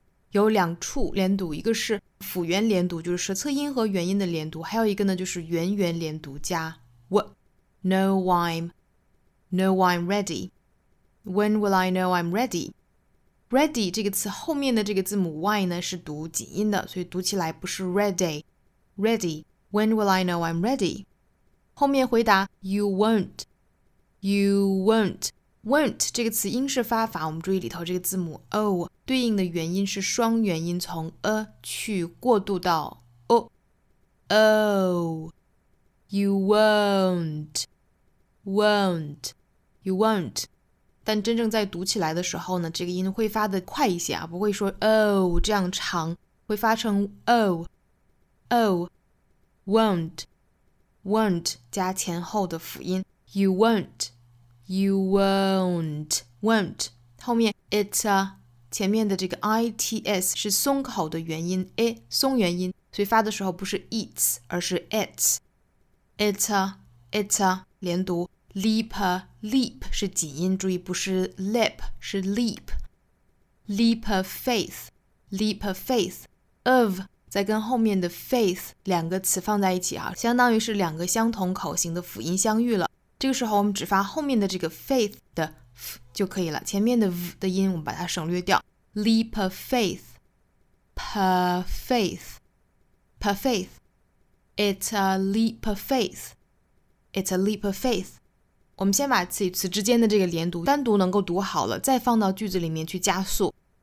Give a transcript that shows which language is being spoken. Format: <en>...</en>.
<zh>有两处连读，一个是辅元连读，就是舌侧音和元音的连读，还有一个呢就是元元连读加 what know I'm.</zh> <en>Know I'm ready. When will I know I'm ready?</en> <zh>Ready 这个词后面的这个字母 Y 呢是读紧音的，所以读起来不是 ready.</zh> <en>Ready. When will I know I'm ready?</en> <zh>后面回答</zh> <en>You won't. You won't.</en> <zh>Won't 这个词音是发法，我们注意里头这个字母 O 对应的元音是双元音，从 a 去过渡到 o.</zh> <en>Oh. You won't. Won't, you won't.</en> <zh>但真正在读起来的时候呢，这个音会发得快一些啊，不会说 oh 这样长，会发成</zh> <en>oh, oh, won't, won't</en> <zh>加前后的辅音。</zh> <en>You won't, you won't, won't.</en> <zh>后面 it's a 前面的这个 its 是松口的元音 a 松元音，所以发的时候不是 its 而是 its.</zh> <en>It's a, it's a 连读。</en> <zh>Leap, leap 是紧音，注意不是 leap, 是 leap.</zh> <en>Leap of faith, leap of faith.</en> <zh>Of, 再跟后面的 faith 两个词放在一起啊，相当于是两个相同口型的辅音相遇了。这个时候我们只发后面的这个 faith 的 f 就可以了，前面的 v 的音我们把它省略掉。</zh> <en>Leap of faith, per faith, per faith. It's a leap of faith, it's a leap of faith.</en> <zh>我们先把词与词之间的这个连读单独能够读好了，再放到句子里面去加速。</zh>